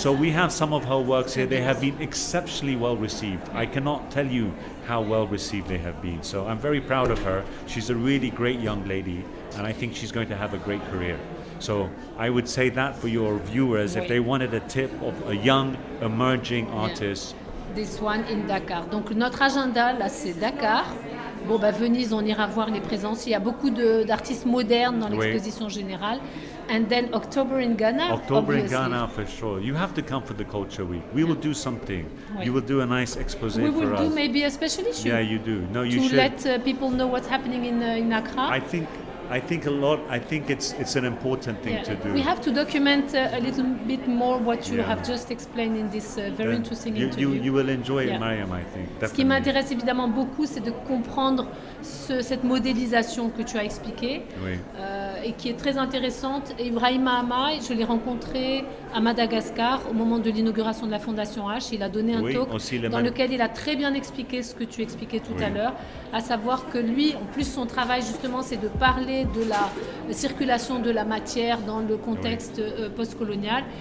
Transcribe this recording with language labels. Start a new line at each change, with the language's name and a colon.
English: So we have some of her works here. They have been exceptionally well received. I cannot tell you how well received they have been. So I'm very proud of her. She's a really great young lady, and I think she's going to have a great career. So I would say that for your viewers, oui. If they wanted a tip of a young, emerging artist. Yeah. This one in Dakar.
French: Donc notre agenda, là, c'est Dakar. Bon, bah, Venise, on ira voir les présences. Il y a beaucoup d'artistes modernes dans l'exposition générale.
English: And then October in Ghana. October obviously. In Ghana, for sure. You have to come for the Culture Week. We will do something.
French: Oui.
English: You will do a nice exposé we for us. We will do maybe a special issue. Yeah, you do. No, you to should. To let people know what's happening in Accra. I think a lot. I think it's an important thing to do. We have to document a little bit more what you have just explained in this very interesting interview. You will enjoy it, Mariam, I think. Definitely.
French: Ce qui m'intéresse évidemment beaucoup, c'est de comprendre cette modélisation que tu as expliquée et qui est très intéressante. Ibrahima Amaï, je l'ai rencontré à Madagascar au moment de l'inauguration de la Fondation H. Il a donné un talk lequel il a très bien expliqué ce que tu expliquais tout à l'heure, à savoir que lui, en plus, son travail, justement, c'est de parler de la circulation de la matière dans le contexte post-colonial.